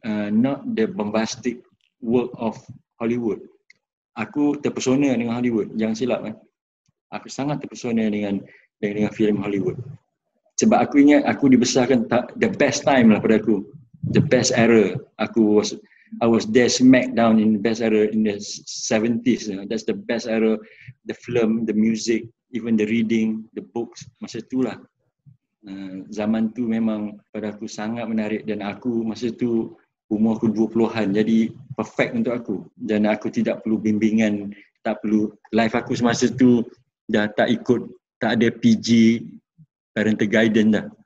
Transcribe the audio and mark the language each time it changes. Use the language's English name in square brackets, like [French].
[English] Not the bombastic world of Hollywood. [Malay] Aku terpesona dengan Hollywood, jangan silap kan. Aku sangat terpesona dengan dengan filem Hollywood. Sebab aku ingat aku dibesarkan [English] the best time [Malay] lah pada aku. [English] The best era. [Malay] Aku [English] was there smack down in the best era in the 70s. That's the best era. The film, the music, even the reading, the books. [Malay] Masa tu lah. Zaman tu memang pada aku sangat menarik. Dan aku masa tu umur aku 20-an. Jadi perfect untuk aku. Dan aku tidak perlu bimbingan. Tak perlu. Life aku semasa tu dah tak ikut. Tak ada PG. Parental guidance dah.